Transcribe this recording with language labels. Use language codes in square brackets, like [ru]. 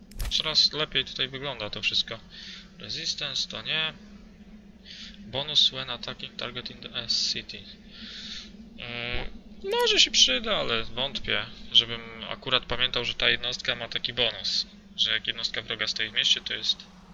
[pl] Coraz lepiej tutaj wygląda to wszystko. Resistance to nie. [en] Bonus when attacking target in the city. [pl] Może się przyda, ale wątpię, żebym akurat pamiętał, że ta jednostka ma taki bonus. Że jak jednostka wroga stoi w mieście, to jest...